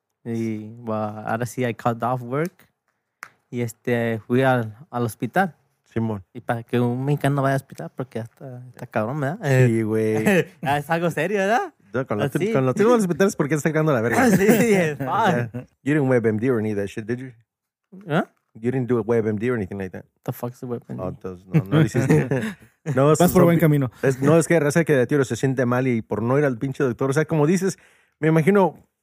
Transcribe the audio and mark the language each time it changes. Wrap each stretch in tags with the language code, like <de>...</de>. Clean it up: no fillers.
<es>Y ahora sí,</es> <en>I cut off work</en> <es>y fui al hospital. Simón. Y para que un mexicano vaya al hospital, porque está cabrón, ¿verdad? Sí, güey. Es algo serio, ¿verdad? Yo, con los tipos de los hospitales, ¿por qué está cagando la verga? Sí, es fine.</es> <en>You didn't WebMD or any of that shit, did you? ¿Huh? You didn't do a WebMD or anything like that. The fuck's the WebMD?</en> <es>Oh, entonces, no lo hiciste. No, vas por buen camino. Es que raza que de tiro se siente mal y por no ir al pinche doctor. O sea, como dices, me imagino...</es>